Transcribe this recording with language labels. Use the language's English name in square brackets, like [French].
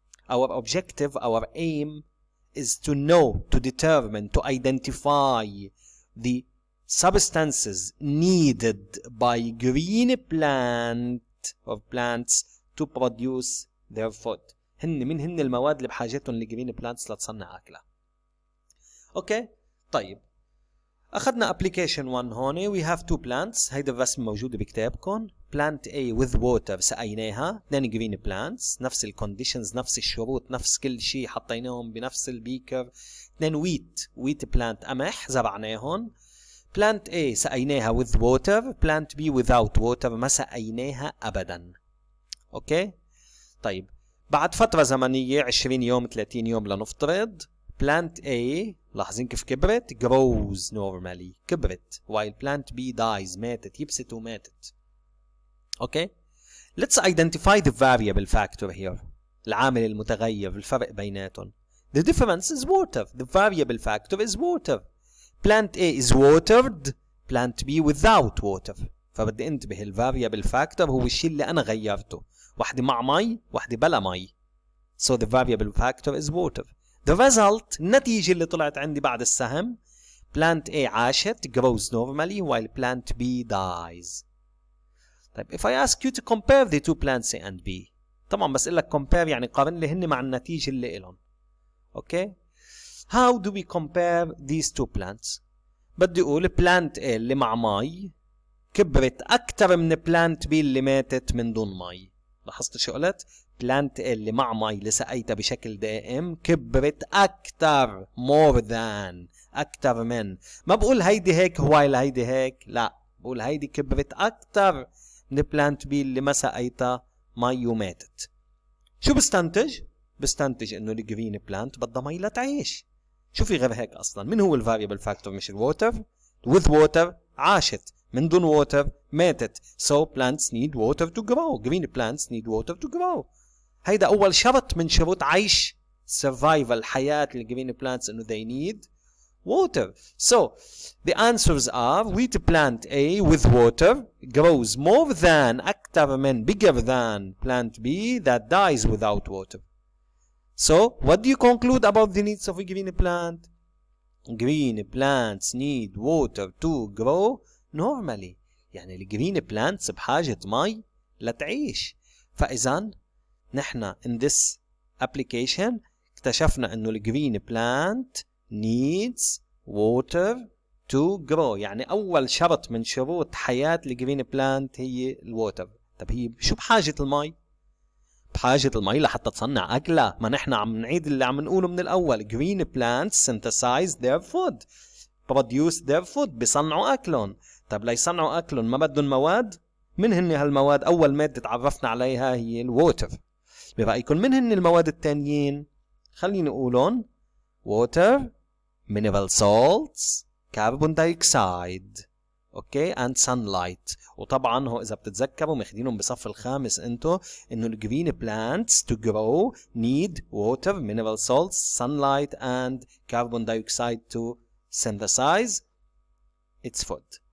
[English] Our objective, our aim is to know, to determine, to identify the substances needed by green plant or plants to produce their food. [Arabic] هن من هن المواد اللي بحاجتهم لجرين بلانتس لتصنع أكلة. Okay, طيب. أخذنا application one هون. [English] We have two plants. [Arabic] هيدا الرسم موجود بكتابكم. [English] Plant A with water سقيناها. Then green plants. [Arabic] نفس ال conditions, نفس الشروط, نفس كل شيء حطيناهم بنفس البيكر. [English] Then wheat. [Arabic] Wheat plant قمح زرعناهم. [English] Plant A سقيناها with water. Plant B without water [Arabic] ما سقيناها أبدا. [English] Okay. طيب. [Arabic] بعد فترة زمنية 20 يوم 30 يوم لنفترض. [English] Plant A [Arabic] لاحظين كيف كبرت [English] grows normally كبرت while plant B dies [Arabic] ماتت يبست وماتت. [English] Okay, let's identify the variable factor here [Arabic] العامل المتغير الفرق بيناتهم. [English] The difference is water. The variable factor is water. Plant A is watered, plant B without water. [Arabic] فبدي انتبه ال variable factor هو الشيء اللي أنا غيرته, واحدة مع مي واحدة بلا مي. [English] So the variable factor is water. The result, [Arabic] النتيجة اللي طلعت عندي بعد السهم, [English] plant A عاشت, grows normally, while plant B dies. طيب, if I ask you to compare the two plants A and B, [Arabic] طبعاً بس إلك compare يعني قارن اللي هني مع النتيجة اللي إلهم. [English] Okay? How do we compare these two plants? [Arabic] بدي أقول plant A اللي مع مي كبرت أكتر من plant B اللي ماتت من دون مي. لاحظت شو قلت؟ بلانت اللي مع مي اللي سقيتها بشكل دائم كبرت أكتر, [English] more than, [Arabic] أكتر من. ما بقول هيدي هيك while هيدي هيك, لا بقول هيدي كبرت أكتر من بلانت بي اللي ما سقيتها مي وماتت. شو بستنتج؟ بستنتج انه الجرين بلانت بدها مي لتعيش. شو في غير هيك أصلا؟ من هو الفاريبل فاكتور مش الووتر؟ with water عاشت, من دون water ماتت. [English] So plants need water to grow. Green plants need water to grow. [Arabic] هيدا أول شرط من شروط عيش survival حياة الجرين plants إنه [English] they need water. So the answers are wheat plant A with water grows more than, [Arabic] أكتر من, [English] bigger than plant B that dies without water. So what do you conclude about the needs of a green plant? Green plants need water to grow normally. [Arabic] يعني الجرين بلانتس بحاجة مي لتعيش. فإذا نحن [English] in this application [Arabic] اكتشفنا انه الجرين بلانت [English] needs water to grow. [Arabic] يعني اول شرط من شروط حياة الجرين بلانت هي الووتر. طب هي شو بحاجة المي؟ بحاجة المي لحتى تصنع أكلة. ما نحن عم نعيد اللي عم نقوله من الأول. [English] Green plants synthesize their food. Produce their food. [Arabic] بيصنعوا أكلهم. طب ليصنعوا أكلهم ما بدهم مواد؟ من هن هالمواد؟ أول مادة تعرفنا عليها هي الووتر. برأيكم من هن المواد التانيين؟ خلينا نقولهم [English] water, mineral salts, carbon dioxide, okay, and sunlight. [Arabic] وطبعا هو إذا بتتذكروا مخدينهم بصف الخامس أنتو إنه [English] green plants to grow need water, mineral salts, sunlight, and carbon dioxide to synthesize its food.